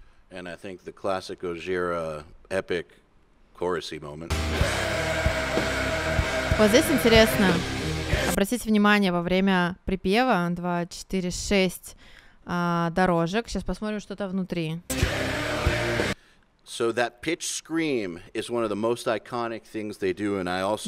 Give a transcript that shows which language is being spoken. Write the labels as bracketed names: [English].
[English] And I think the classic Gojira epic chorus-y moment. [Russian] Вот здесь интересно, обратите внимание, во время припева 2, 4, 6 дорожек. Сейчас посмотрим, что там внутри. [English] So that pitch scream is one of the most iconic things they do, and I also...